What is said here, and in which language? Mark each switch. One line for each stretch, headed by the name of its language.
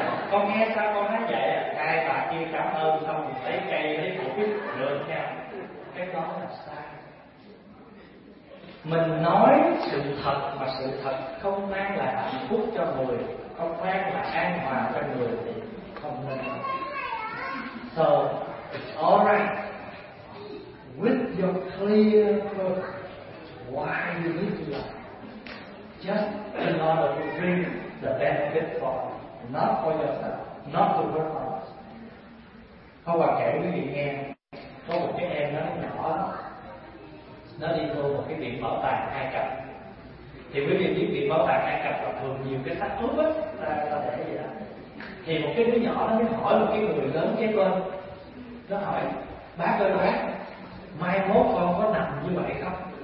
Vietnamese: Con nghe sao con nói vậy? Hai bà kia cảm ơn xong lấy cây lấy củi rửa nhà. Cái đó là sai. Mình nói sự thật mà sự thật không mang lại hạnh phúc cho người, không mang lại an hòa cho người thì không nên.
English: So, all right, with your clear purpose, why you need to lie? Just in order to bring the benefit for you, not for yourself, not to work on us.
Vietnamese: Hôm qua kể quý vị nghe, có một cái em nó nhỏ lắm. Nó đi vô một cái viện bảo tàng Ai Cập. Thì quý vị biết viện bảo tàng Ai Cập là thường nhiều cái xác ướp á, ta để gì đó. Thì một cái đứa nhỏ nó mới hỏi một cái người lớn kế bên. Nó hỏi, "Bác ơi bác, mai mốt con có nằm như vậy không?"